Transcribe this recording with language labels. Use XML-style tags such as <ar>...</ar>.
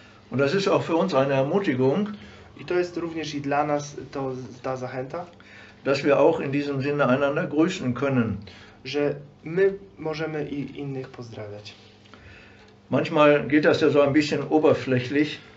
<de>Und das ist auch für uns eine Ermutigung.</de> <pl>I to jest również i dla nas to ta zachęta,</pl> <de>dass wir auch in diesem Sinne einander grüßen können,</de> <pl>że my możemy i innych pozdrawiać.</pl> <de>Manchmal geht das ja so ein bisschen oberflächlich.</de>